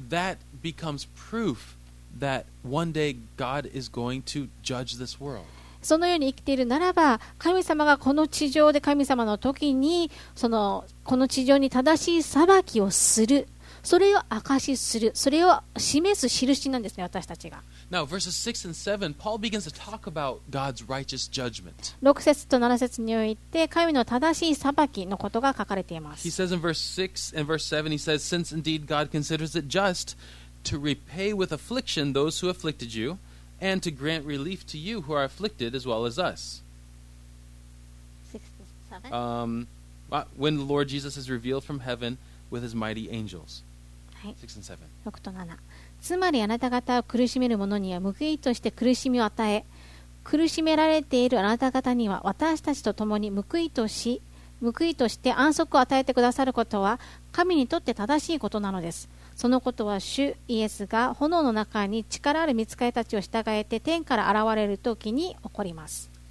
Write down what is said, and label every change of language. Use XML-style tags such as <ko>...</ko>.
<en>that becomes proof that one day God is going to judge this world.</en> <ja>そのように生きているならば、神様がこの地上で神様の時に、そのこの地上に正しい裁きをする、それを証しする、それを示す印なんですね、私たちが。</ja> <en>Now, verses 6 and 7, Paul begins to talk about God's righteous judgment.</en> <ja>6節と7節において、神の正しい裁きのことが書かれています。</ja> <en>He says in verse 6 and verse 7, he says, Since indeed God considers it just to repay with affliction those who afflicted you, and to grant relief to you who are afflicted as well as us. 6 and 7? When the Lord Jesus is revealed from heaven with his mighty angels. 6 and 7.</en> <ja>6と7. つまりあなた方を苦しめる者には報いとして苦しみを与え苦しめられているあなた方には私たちと共に報いとして安息を与えてくださることは神にとって正しいことなのです。そのことは主イエスが炎の中に力ある御使いたちを従えて天から現れる時に起こります。</ja>